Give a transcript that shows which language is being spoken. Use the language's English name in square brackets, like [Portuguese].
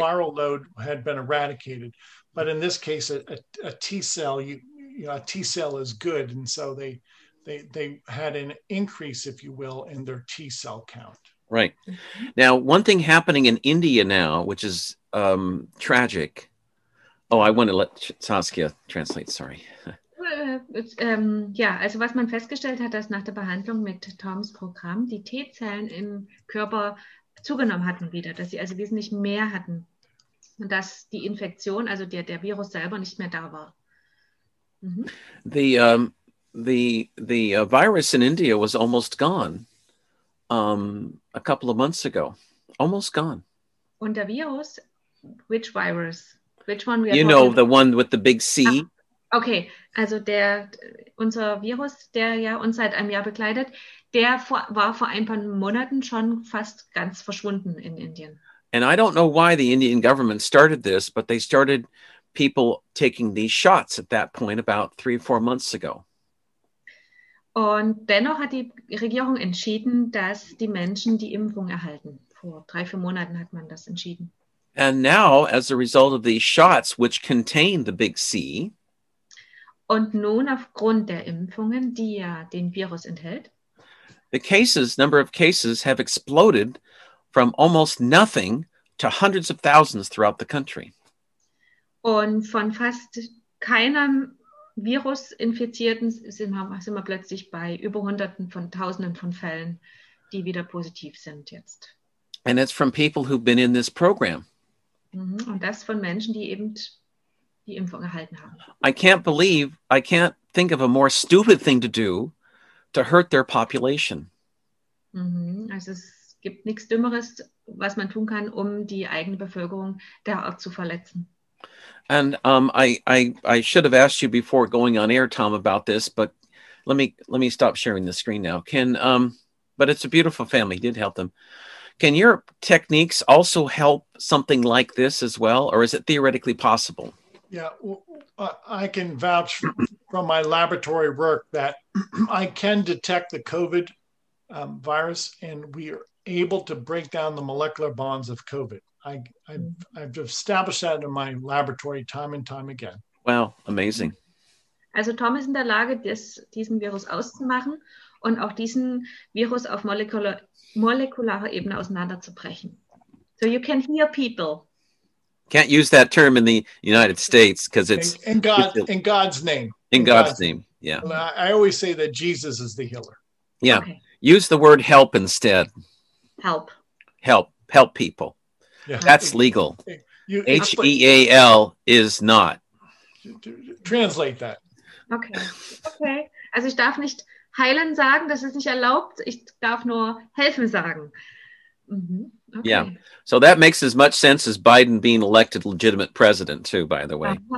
[English] Viral load had been eradicated. But in this case, a T cell, a T cell is good. And so they had an increase, if you will, in their T cell count. Right. Now, one thing happening in India now, which is tragic, Oh, I want to let Saskia translate, sorry. [German] Ja, also was man festgestellt hat, dass nach der Behandlung mit Toms Programm die T-Zellen im Körper zugenommen hatten wieder, dass sie also wesentlich mehr hatten und dass die Infektion, also der Virus selber nicht mehr da war. Mhm. [English] The virus in India was almost gone a couple of months ago. Almost gone. [German] Und der Virus, [English] which virus? Which one we are you know, about? The one with the big C. Ah, [German] okay, also unser Virus, der ja uns seit einem Jahr begleitet, der war vor ein paar Monaten schon fast ganz verschwunden in Indien. [English] And I don't know why the Indian government started this, but they started people taking these shots at that point about 3 or 4 months ago. [German] Und dennoch hat die Regierung entschieden, dass die Menschen die Impfung erhalten. Vor 3-4 Monaten hat man das entschieden. [English] And now, as a result of these shots, which contain the big C. [German] Und nun aufgrund der Impfungen, die ja den Virus enthält. [English] The cases, number of cases have exploded from almost nothing to hundreds of thousands throughout the country. [German] Und von fast keinem Virusinfizierten sind wir plötzlich bei über Hunderten von Tausenden von Fällen, die wieder positiv sind jetzt. [English] And it's from people who've been in this program. [German] Und das von Menschen, die eben die Impfung erhalten haben. [English] I can't think of a more stupid thing to do to hurt their population. [German] Also es gibt nichts Dümmeres, was man tun kann, um die eigene Bevölkerung derart zu verletzen. [English] And I should have asked you before going on air, Tom, about this, but let me stop sharing the screen now. But it's a beautiful family. He did help them. Can your techniques also help something like this as well, or is it theoretically possible? Yeah, I can vouch from my laboratory work that I can detect the COVID virus, and we are able to break down the molecular bonds of COVID. I've established that in my laboratory time and time again. Wow, amazing. [German] Also Tom ist in der Lage, diesen Virus auszumachen und auch diesen Virus auf molekularer Ebene auseinanderzubrechen. [English] So you can hear people. Can't use that term in the United States because it's... In God's name. In God's name, yeah. I always say that Jesus is the healer. Yeah, okay. Use the word help instead. Help. Help. Help people. Yeah. That's legal. H-E-A-L is not. Translate that. Okay. [German] Also ich darf nicht heilen sagen, das ist nicht erlaubt. Ich darf nur helfen sagen. Mm-hmm. [English] Okay. Yeah. So that makes as much sense as Biden being elected legitimate president too, by the way.